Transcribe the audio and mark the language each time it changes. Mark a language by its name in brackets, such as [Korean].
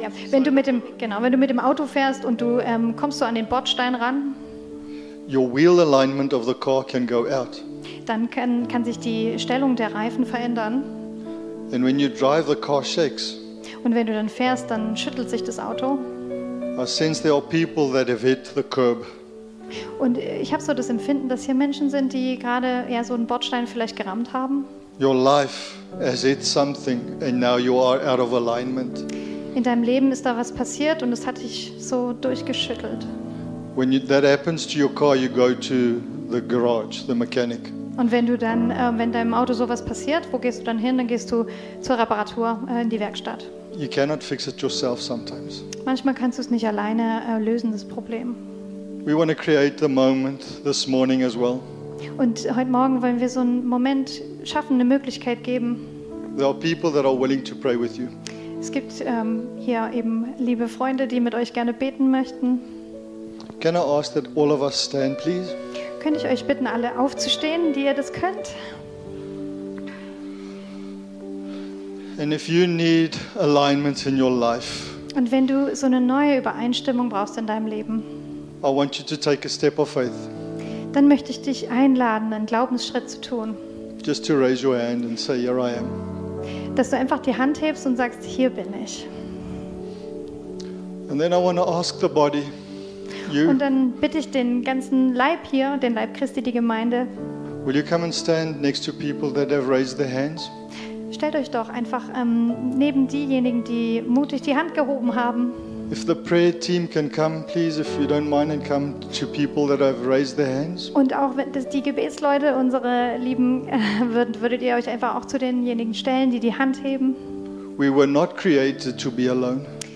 [German] Wenn du mit dem, genau, wenn du mit dem Auto fährst und du kommst so an den Bordstein ran. [English] Your wheel alignment of the car can go out. [German] Dann kann sich die Stellung der Reifen verändern. [English] And when you drive, the car shakes. [German] Und wenn du dann fährst, dann schüttelt sich das Auto. [English] I sense there are people that have hit the curb. [German] Und ich habe so das Empfinden, dass hier Menschen sind, die gerade eher so einen Bordstein vielleicht gerammt haben. [English] Your life has hit something and now you are out of alignment. [German] In deinem Leben ist da was passiert und es hat dich so durchgeschüttelt. [English] When that happens to your car, you go to the garage, the mechanic. [German] Und wenn du dann, wenn deinem Auto sowas passiert, wo gehst du dann hin? Dann gehst du zur Reparatur, in die Werkstatt. [English] You cannot fix it yourself sometimes. [German] Manchmal kannst du es nicht alleine lösen, das Problem. [English] We want to create the moment this morning as well. [German] Und heute Morgen wollen wir so einen Moment schaffen, eine Möglichkeit geben. [English] There are people that are willing to pray with you. [German] Es gibt hier eben liebe Freunde, die mit euch gerne beten möchten. [English] Can I ask that all of us stand, please? [German] Könnte ich euch bitten, alle aufzustehen, die ihr das könnt? [English] And if you need alignment in your life, [German] und wenn du so eine neue Übereinstimmung brauchst in deinem Leben, [English] I want you to take a step of faith. [German] Dann möchte ich dich einladen, einen Glaubensschritt zu tun. [English] Just to raise your hand and say, here I am. [German] Dass du einfach die Hand hebst und sagst, hier bin ich. [English] And then I want to ask the body, you, [German] und dann bitte ich den ganzen Leib hier, den Leib Christi, die Gemeinde, [English] will you come and stand next to people that have raised their hands? [German] Stellt euch doch einfach neben diejenigen, die mutig die Hand gehoben haben. [English] If the prayer team can come, please, if you don't mind, and come to people that have raised their hands. [German] Und auch wenn das die Gebetsleute, unsere Lieben, würdet ihr euch einfach auch zu denjenigen stellen, die die Hand heben. [English] We were not created to be alone.